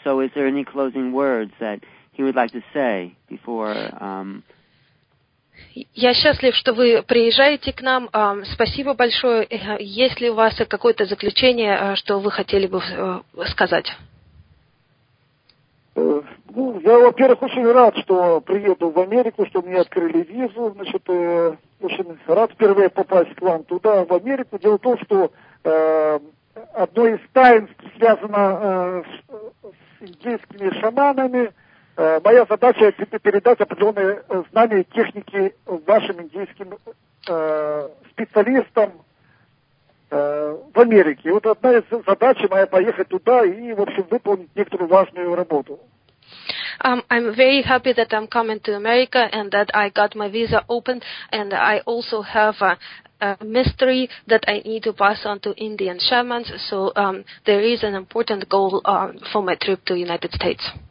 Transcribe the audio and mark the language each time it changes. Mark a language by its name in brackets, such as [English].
[English] So is there any closing words that he would like to say before... [Russian] Я счастлив, что вы приезжаете к нам. Спасибо большое. Есть ли у вас какое-то заключение, что вы хотели бы сказать? Я, во-первых, очень рад, что приеду в Америку, что мне открыли визу. Значит, очень рад впервые попасть к вам туда, в Америку. Дело в том, что одно из тайн связано с индийскими шаманами. Моя задача – это передать определенные знания и техники вашим индийским специалистам в Америке. И вот одна из задач моя – поехать туда и, в общем, выполнить некоторую важную работу. [English] I'm very happy that I'm coming to America and that I got my visa opened, and I also have a mystery that I need to pass on to Indian shamans, so there is an important goal for my trip to the United States.